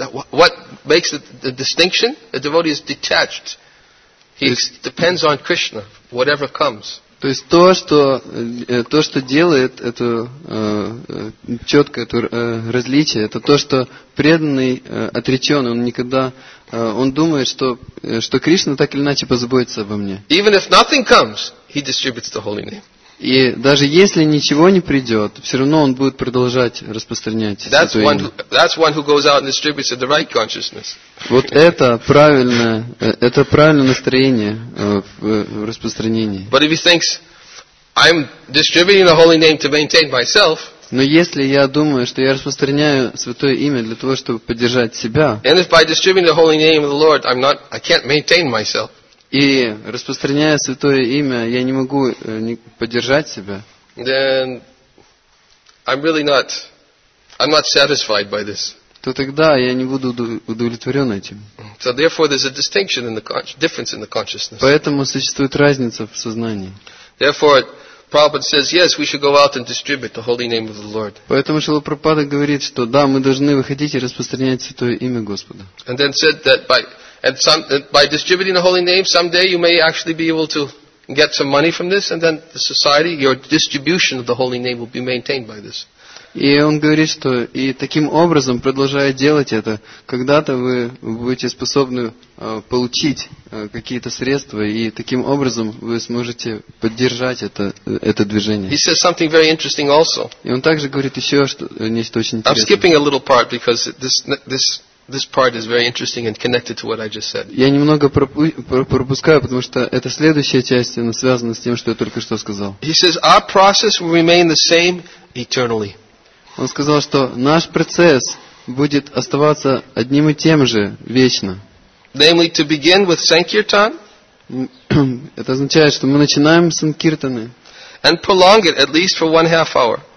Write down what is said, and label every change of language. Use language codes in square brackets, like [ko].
[en] What makes the distinction? A devotee is detached. He depends on Krishna, whatever comes. [ru] То есть то, что делает это четкое это различие, это то, что преданный отречен, он никогда он думает, что Кришна так или иначе позаботится обо мне. [en] Even if nothing comes, he distributes the holy name. [ru] И даже если ничего не придет, все равно он будет продолжать распространять святое имя. [en] That's one who goes out and distributes the right consciousness. [ru] Вот это правильное настроение в распространении. [en] But if he thinks I'm distributing the holy name to maintain myself. [ru] Но если я думаю, что я распространяю святое имя для того, чтобы поддержать себя. [en] And if by distributing the holy name of the Lord, I can't maintain myself. [ru] И распространяя святое имя, я не могу не поддержать себя. [en] Then I'm not satisfied by this. [ru] То тогда я не буду удовлетворен этим. [en] So therefore there's a distinction in the difference in the consciousness. [ru] Поэтому существует разница в сознании. [en] Therefore Prabhupada says, yes, we should go out and distribute the holy name of the Lord. [ru] Поэтому Шрила Прабхупада говорит, что да, мы должны выходить и распространять святое имя Господа. [en] And then said that by distributing the holy name, someday you may actually be able to get some money from this, and then the society, your distribution of the holy name will be maintained by this. [ru] И он говорит, что и таким образом, продолжая делать это, когда-то вы будете способны получить какие-то средства, и таким образом вы сможете поддержать это движение. [en] He says something very interesting also. [ru] И он также говорит еще нечто очень интересное. [en] I'm skipping a little part because this part is very interesting and connected to what I just said. [ru] Я немного пропускаю, потому что это следующая часть, она связана с тем, что я только что сказал. [en] He says our process will remain the same eternally. [ru] Он сказал, что наш процесс будет оставаться одним и тем же вечно. [en] Namely, to begin with sankirtan. [ru] Это означает, что мы начинаем с санкиртаны. [en] And prolong it at least for one half hour.